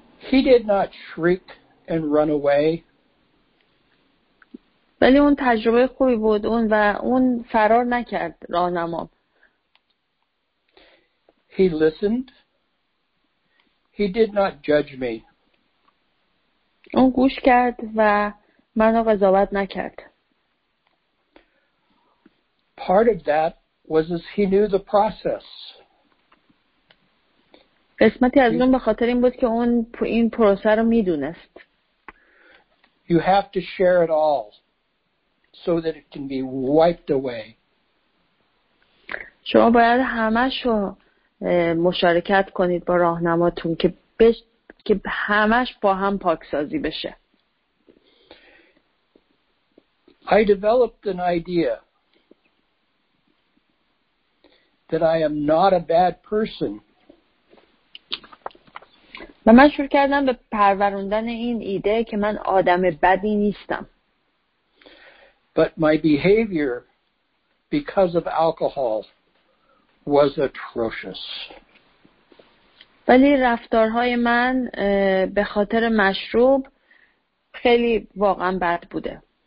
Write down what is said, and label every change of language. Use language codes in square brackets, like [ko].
[en] He did not shriek and run away. [fa] ولی اون تجربه خوبی بود اون و اون فرار نکرد راهنما. [en] He listened. He did not judge me. [fa] اون گوش کرد و منو قضاوت نکرد. [en] Part of that was as he knew the process. [fa] قسمتی از اون به خاطر این بود که اون این پروسه رو میدونست. [en] You have to share it all so that it can be wiped away. [fa] شما باید همش رو مشارکت کنید با راهنماتون که همش با هم پاکسازی بشه. [en] I developed an idea that I am not a bad person. [fa] و من شروع کردم به پروروندن این ایده که من آدم بدی نیستم. [en] But my behavior because of alcohol was atrocious. [fa] ولی رفتارهای من به خاطر مشروب خیلی واقعا بد بوده.